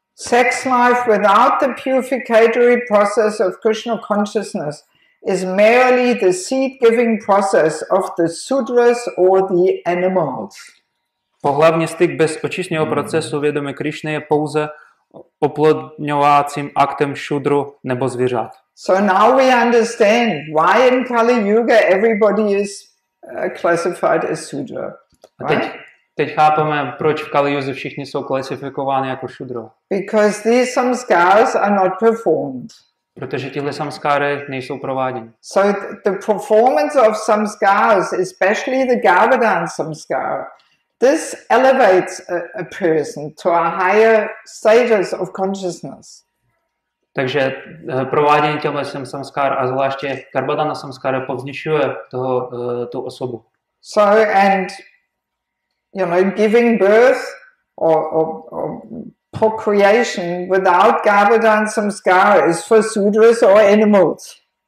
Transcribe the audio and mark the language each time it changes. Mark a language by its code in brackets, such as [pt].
[en] Sex life without the purificatory process of Krishna consciousness is merely the seed-giving process of the sudras or the animals. [cs] Pohlavní styk bez očistného procesu vědomí Krishna je pouze oplodňovacím aktem šudru nebo zvířat. [en] So now we understand why in Kali Yuga everybody is classified as sudra. [cs] A teď chápeme, proč v Kali Yuze všichni jsou klasifikováni jako šudro. [en] Because these samskaras are not performed. [cs] Protože tyhle samskáry nejsou prováděny. [en] So the performance of samskaras, especially the Gavadan samskara, this elevates a person to a higher status of consciousness. [cs] Takže provádění těchto samskár a zvláště Garbhadana samskara povznišuje toho tu osobu. [en] So and you know, giving birth or procreation without Gavadan samskara is for sudras or animals.